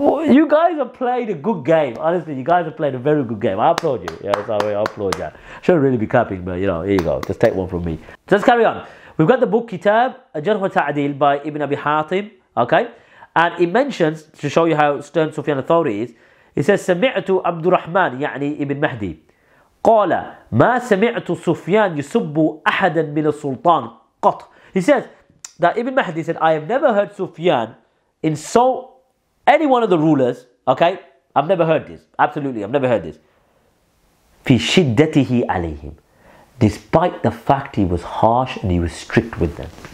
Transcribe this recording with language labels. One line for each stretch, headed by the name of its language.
English: you guys have played a good game. Honestly, you guys have played a very good game. I applaud you. Yeah, sorry, I applaud you. Shouldn't really be clapping, but you know, here you go. Just take one from me. So let's carry on. We've got the book Kitab, Jarh wa Ta'dil by Ibn Abi Hatim. Okay? And it mentions, to show you how stern Sufyan al-Thawri is, it says,
Arabic: سمعت عبد الرحمن يعني ابن مهدي قال ما سمعت سفيان يسب أحدا من السلطان قط.
English: He says that Ibn Mahdi said, I have never heard Sufyan insult any one of the rulers. Okay, I've never heard this. Absolutely, I've never heard this.
Arabic: في شدته عليهم,
English: despite the fact he was harsh and he was strict with them.